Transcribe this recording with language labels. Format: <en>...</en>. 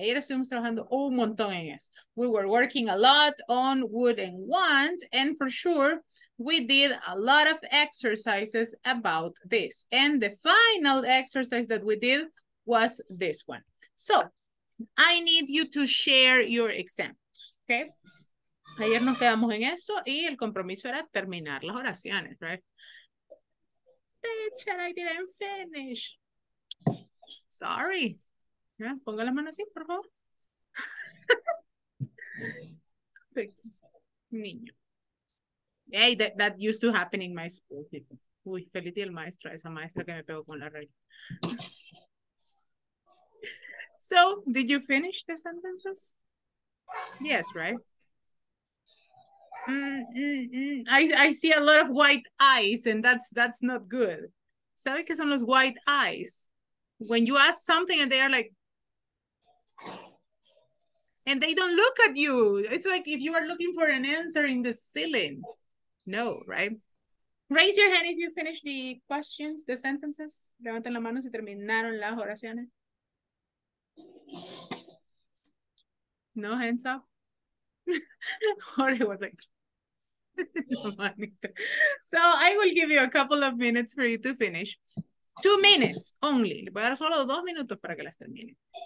<es>Ayer estuvimos trabajando un montón en esto.</es> <en>We were working a lot on would and want, and for sure, we did a lot of exercises about this. And the final exercise that we did was this one. So I need you to share your examples, okay?</en> <es>Ayer nos quedamos en eso y el compromiso era terminar las oraciones, right?</es> <en>Teacher, I didn't finish. Sorry.</en> <es>Yeah, ponga la mano así, por favor. Niño.</es> <en>Hey, that used to happen in my school.</en> <es>Uy, feliz día el maestro, esa maestra que me pegó con la regla.</es> <en>So, did you finish the sentences? Yes, right? I see a lot of white eyes, and that's not good.</en> <es>¿Sabe qué son los white eyes?</es> <en>When you ask something and they are like, and they don't look at you. It's like if you are looking for an answer in the ceiling. No, right? Raise your hand if you finish the questions, the sentences.</en> <es>Levanten la mano si terminaron las oraciones.</es> <en>No hands up. Jorge was like, so I will give you a couple of minutes for you to finish. 2 minutes only.</en> <es>Le voy a dar solo 2 minutos para que las termine.</es>